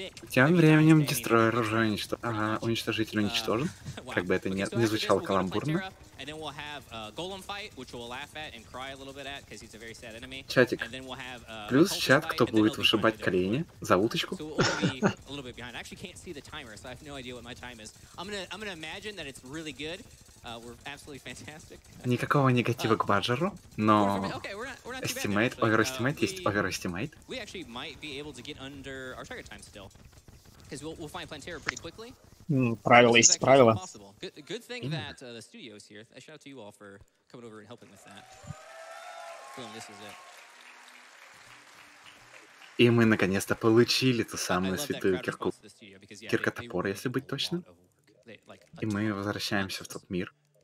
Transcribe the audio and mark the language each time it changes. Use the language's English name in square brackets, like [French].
[Russian] Тем временем дестройер уже уничтожен. Как бы это ни звучало каламбурно. [English] And then we'll have Golem fight, which we'll laugh at and cry a little bit at, because he's a very sad enemy. [Russian] Чатик. [English] And then we'll have, [Russian] плюс чат, кто будет вышибать колени за уточку. [English] So I actually can't see the timer, so I have no idea what my time is. I'm gonna imagine that it's really good. We're absolutely fantastic. [Russian] Никакого негатива к Баджеру, но estimate, overestimate, есть overestimate. [English] We actually might be able to get under our target time still. Because we'll find Plantera pretty quickly. [Russian] Правило есть правило. [English] Good thing that the studio is here. I shout out to you all for coming over and helping with that. Boom, this is it. [Russian] И мы наконец-то получили ту самую святую кирку. Кирка-топор, если быть точным. И мы возвращаемся в тот мир.